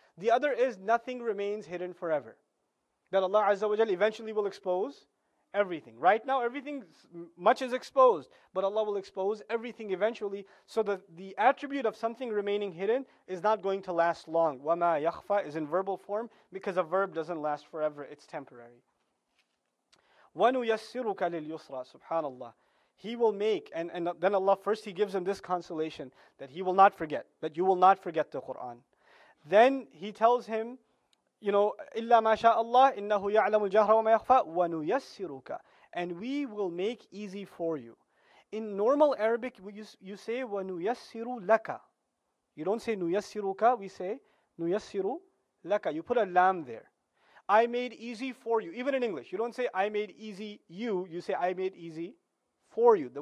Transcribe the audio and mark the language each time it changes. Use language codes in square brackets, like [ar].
[en] The other is nothing remains hidden forever. That Allah Azza wa Jal eventually will expose everything. Right now everything, much is exposed. But Allah will expose everything eventually. So the attribute of something remaining hidden is not going to last long. [ar] وَمَا يَخْفَى [en] is in verbal form because a verb doesn't last forever. It's temporary. [ar] وَنُيَسِّرُكَ لِلْيُسْرَى SubhanAllah. [en] He will make, and then Allah, first He gives him this consolation that he will not forget, that you will not forget the Qur'an. Then He tells him, you know, [ar] إِلَّا مَا شَاءَ اللَّهِ إِنَّهُ يَعْلَمُ الْجَهْرَ وَمَا يَخْفَى وَنُيَسِّرُكَ. [en] And we will make easy for you. In normal Arabic, you say [ar] وَنُيَسِّرُ لَكَ. [en] You don't say نُيَسِّرُكَ, we say [ar] نُيَسِّرُ لَكَ. [en] You put a lam there. I made easy for you. Even in English, you don't say I made easy you, you say I made easy for you.